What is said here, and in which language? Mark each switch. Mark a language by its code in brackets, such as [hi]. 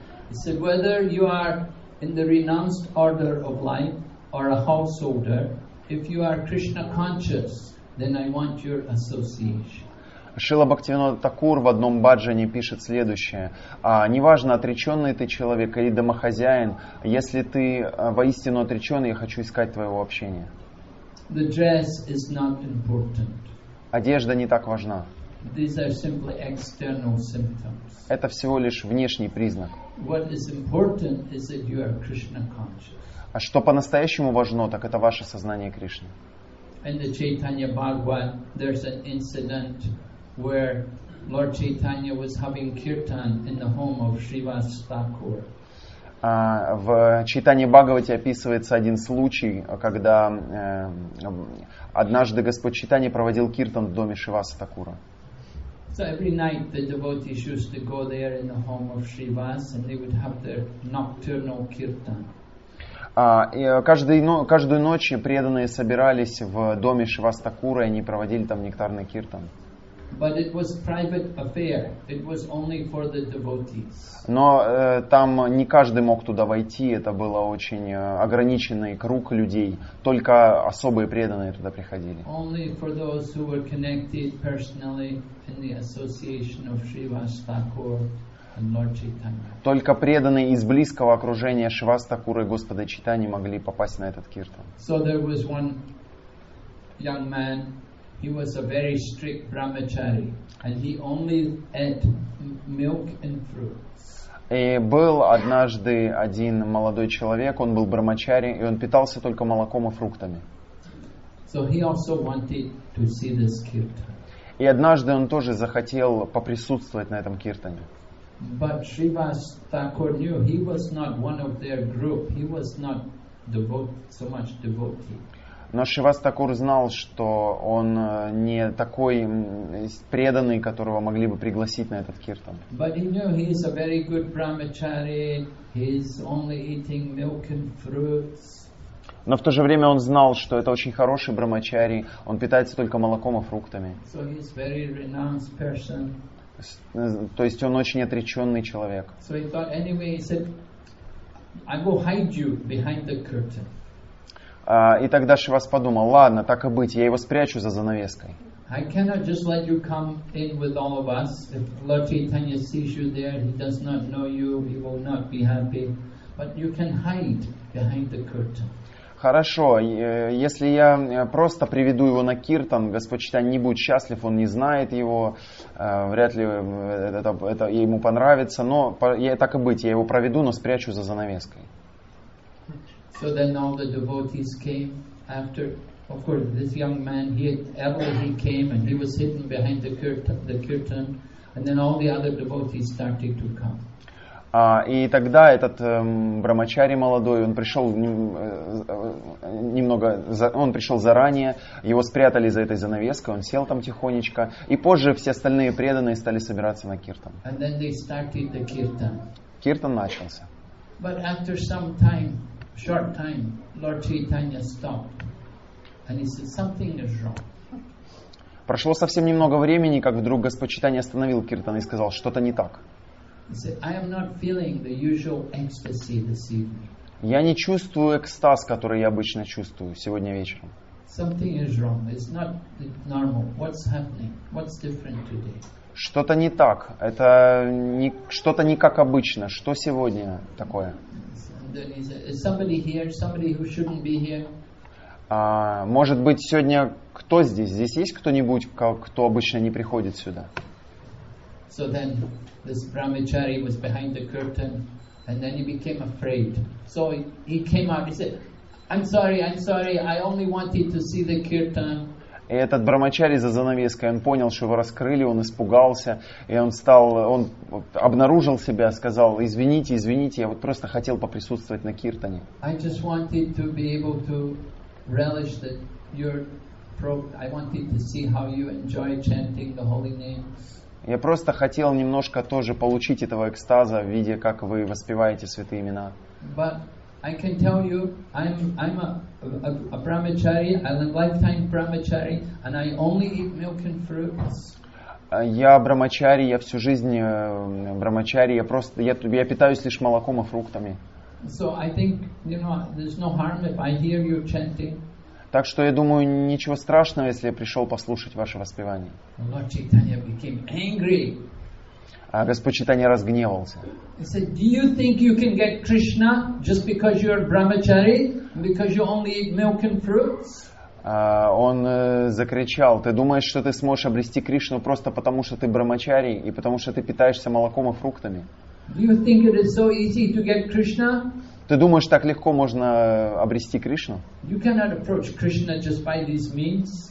[en] He said, whether you are in the renounced order of life or a householder, if you are Krishna conscious, then I want your association. [ru] Шрила Бхактивинода Тхакур в одном баджане пишет следующее. Неважно, отреченный ты человек или домохозяин, если ты воистину отреченный, я хочу искать твоего общения. [en] The dress is not important. [ru] Одежда не так важна. [en] These are simply external symptoms. [ru] Это всего лишь внешний признак. [en] What is important is that you are Krishna conscious. [ru] А что по-настоящему важно, так это ваше сознание Кришны. [en] In the Chaitanya Bhagavat, there's an incident where Lord Chaitanya was having kirtan in the home of Srivas Thakur. [ru] В Чайтанье Бхагавате описывается один случай, когда однажды Господь Чайтанья проводил киртан в доме Шриваса Такура. [en] So every night the devotees used to go there in the home of Shrivas and they would have their nocturnal kirtan. [ru] Каждую ночь преданные собирались в доме Шриваса Такура и они проводили там нектарный киртан. [en] But it was private affair. It was only for the devotees. [ru] Но там не каждый мог туда войти. Это был очень ограниченный круг людей. Только особые преданные туда приходили. [en] Only for those who were connected personally in the association of Srivas Thakur and Lord Chaitanya. [ru] Только преданные из близкого окружения Шривас Такура и Господа Чайтаньи могли попасть на этот киртан. [en] So there was one young man. He was a very strict brahmachari, and he only ate milk and fruits. [ru] И был однажды один молодой человек. Он был брахмачари, и он питался только молоком и фруктами. [en] So he also wanted to see this kirtan. [ru] И однажды он тоже захотел поприсутствовать на этом киртане. [en] But Srivas Thakur knew he was not one of their group. He was not so much devotee. [ru] Но Шривас Такур знал, что он не такой преданный, которого могли бы пригласить на этот киртан. [en] But he knew he is a very good brahmachari. He is only eating milk and fruits. [ru] Но в то же время он знал, что это очень хороший брахмачари. Он питается только молоком и фруктами. [en] So he is very renounced person. [ru] То есть он очень отреченный человек. [en] So he thought anyway. He said, "I will hide you behind the curtain." [ru] И тогда Шивас подумал, ладно, так и быть, я его спрячу за занавеской. [en] I cannot just let you come in with all of us. If Lord Chaitanya sees you there, he does not know you, he will not be happy. But you can hide behind the curtain. [ru] Хорошо, если я просто приведу его на киртан, Господь Читань не будет счастлив, он не знает его, вряд ли это ему понравится, но так и быть, я его проведу, но спрячу за занавеской. [en] So then all the devotees came after, of course, this young man, he came and he was hidden behind the kirtan, and then all the other devotees started to come. [ru] И тогда этот брамачари молодой, он пришел он пришел заранее, его спрятали за этой занавеской, он сел там тихонечко, и позже все остальные преданные стали собираться на киртан. [en] And then they started the kirtan. [ru] Киртан начался. [en] But after some time, short time, Lord Chaitanya stopped, and he said, something is wrong. [ru] Прошло совсем немного времени, как вдруг Господь Чайтанья остановил киртан и сказал, что-то не так. [en] He said, I am not feeling the usual ecstasy this evening. [ru] Я не чувствую экстаз, который я обычно чувствую сегодня вечером. [en] Something is wrong. It's not normal. What's happening? What's different today? [ru] Что-то не так. Это что-то не как обычно. Что сегодня такое? [en] Is somebody here? Somebody who shouldn't be here? [ru] Может быть, сегодня кто здесь? Здесь есть кто-нибудь, кто обычно не приходит сюда? [en] So then this brahmachari was behind the curtain and then he became afraid. So he came out, he said, I'm sorry, I only wanted to see the kirtan. [ru] И этот брамачари за занавеской, он понял, что его раскрыли, он испугался, и он обнаружил себя, сказал, извините, я вот просто хотел поприсутствовать на киртане. [en] I just wanted to be able to relish that I wanted to see how you enjoy chanting the holy names. [ru] Я просто хотел немножко тоже получить этого экстаза, видя, как вы воспеваете святые имена. [en] But I can tell you, I'm a brahmachari, I'm a lifetime brahmachari, and I only eat milk and fruits. [ru] Я брахмачари, я всю жизнь брахмачари, я питаюсь лишь молоком и фруктами. [en] So I think, you know, there's no harm if I hear you chanting. [ru] Так что я думаю, ничего страшного, если я пришел послушать ваше воспевание. [en] Lord Chaitanya became angry. [ru] А Господь Чайтанья разгневался. [en] He said, "Do you think you can get Krishna just because you're a brahmachari, because you only eat milk and fruits?" [ru] Он закричал: "Ты думаешь, что ты сможешь обрести Кришну просто потому, что ты брахмачари и потому, что ты питаешься молоком и фруктами?" [en] Do you think it is so easy to get Krishna? [ru] Ты думаешь, так легко можно обрести Кришну? [en] You cannot approach Krishna just by these means.